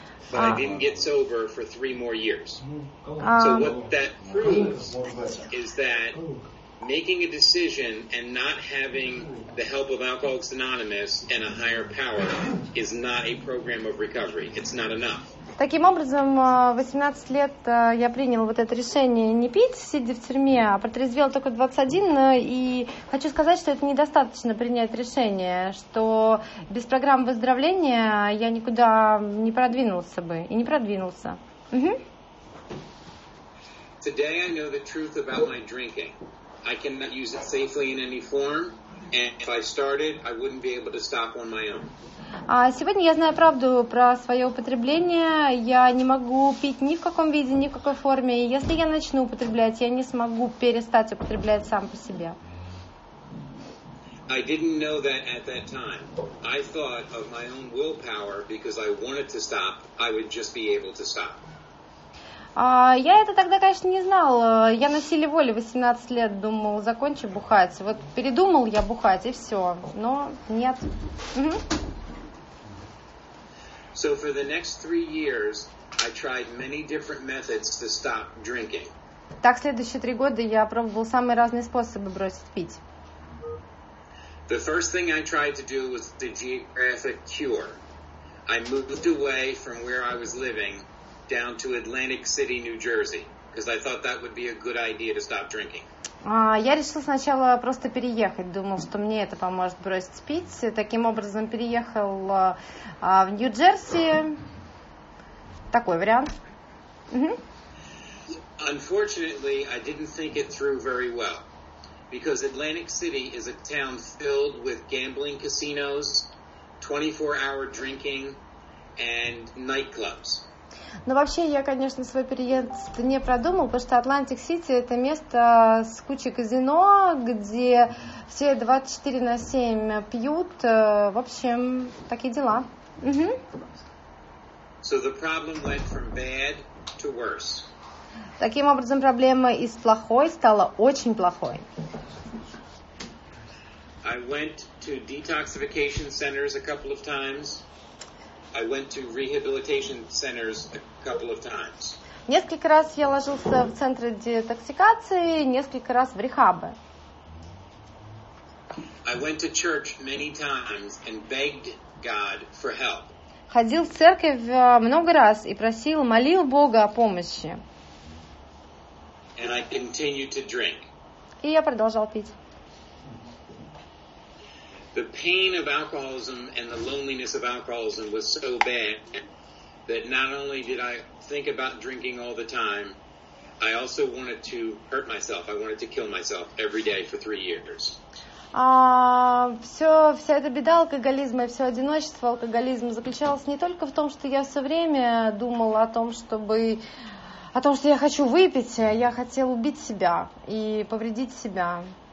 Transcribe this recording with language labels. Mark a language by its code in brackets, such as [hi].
[en] But I didn't get sober for 3 more years. So what that proves is that making a decision and not having the help of Alcoholics Anonymous and a higher power is not a program of recovery. It's not enough. [ru] Таким образом, в 18 лет я принял вот это решение не пить, сидя в тюрьме, а протрезвел только 21, и хочу сказать, что это недостаточно принять решение, что без программ выздоровления я никуда не продвинулся бы, и не продвинулся. [en] Today I know the truth about my drinking. I cannot use it safely in any form, and if I started, I wouldn't be able to stop on my own. [ru] Сегодня я знаю правду про свое употребление. Я не могу пить ни в каком виде, ни в какой форме. И если я начну употреблять, я не смогу перестать употреблять сам по себе. [en] I didn't know that at that time. I thought of my own willpower because I wanted to stop, I would just be able to stop. [ru] Я это тогда, конечно, не знал. Я на силе воли 18 лет думал, закончу бухать. Вот передумал я бухать, и все. Но нет. [en] So for the next 3 years, I tried many different methods to stop drinking. [ru] Так следующие 3 года я пробовал самые разные способы бросить пить. [en] The first thing I tried to do was the geographic cure. I moved away from where I was living down to Atlantic City, New Jersey, because I thought that would be a good idea to stop drinking. [ru] Я решил сначала просто переехать, думал, что мне это поможет бросить пить. Таким образом, переехал в Нью-Джерси. Такой вариант. [en] Unfortunately, I didn't think it through very well, because Atlantic City is a town filled with gambling casinos, 24-hour drinking, and nightclubs. [ru] Но вообще я, конечно, свой переезд не продумал, потому что Атлантик-Сити – это место с кучей казино, где все 24/7 пьют. В общем, такие дела. [en] So the problem went from bad to worse. [ru] Таким образом, проблема из плохой стала очень плохой. [en] I went to detoxification centers a couple of times. I went to rehabilitation centers a couple of times. [ru] Несколько раз я ложился в центры детоксикации, несколько раз в рехабы. [en] I went to church many times and begged God for help. [ru] Ходил в церковь много раз и просил, молил Бога о помощи. [en] And I continued to drink. [ru] И я продолжал пить. [en] The pain of alcoholism and the loneliness of alcoholism was so bad that not only did I think about drinking all the time, I also wanted to hurt myself. I wanted to kill myself every day for 3 years. [ru] Вся эта беда алкоголизма и все одиночество алкоголизма заключалась не только в том, что я все время думала о том, что я хочу выпить, я хотел убить себя и повредить себя.